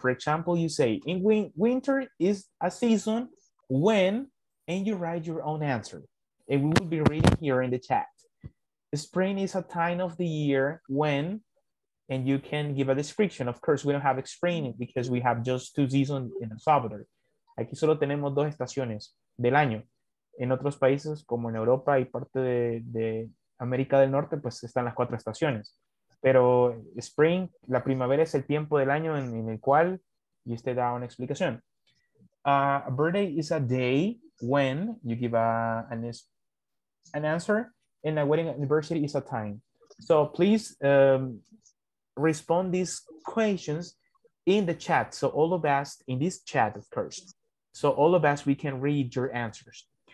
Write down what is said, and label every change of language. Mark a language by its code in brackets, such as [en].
[en] For example, you say, in winter is a season when, and you write your own answer. And we will be reading here in the chat. Spring is a time of the year when, and you can give a description. Of course, we don't have spring because we have just two seasons in El Salvador. [es] Aquí solo tenemos dos estaciones del año. En otros países, como en Europa y parte de América del Norte, pues están las cuatro estaciones. Pero spring, la primavera es el tiempo del año en el cual, y usted da una explicación. [en] A birthday is a day when you give an answer, and a wedding anniversary is a time. So please respond these questions in the chat. So all of us, in this chat, of course. So all of us, we can read your answers.